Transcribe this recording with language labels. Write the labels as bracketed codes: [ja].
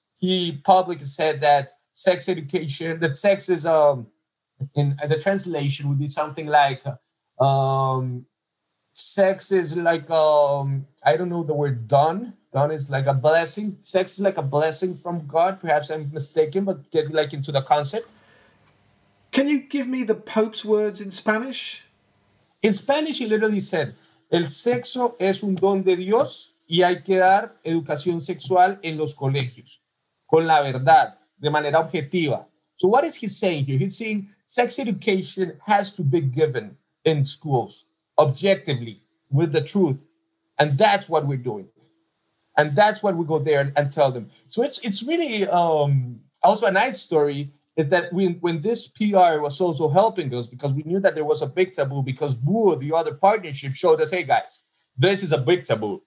[en] He publicly said that sex education, that sex is, in the translation, would be something like, sex is like, I don't know the word, done. Done is like a blessing. Sex is like a blessing from God. Perhaps I'm mistaken, but get like into the concept. Can you give me the Pope's words in Spanish? In Spanish, he literally said, [es] el sexo es un don de Dios y hay que dar educación sexual en los colegios. Con la verdad, de manera objetiva. [en] So what is he saying here? He's saying sex education has to be given in schools, objectively, with the truth. And that's what we're doing. And that's what we go there and tell them. So it's really also a nice story is that when this PR was also helping us, because we knew that there was a big taboo, because Buo, the other partnership, showed us, hey, guys, this is a big taboo.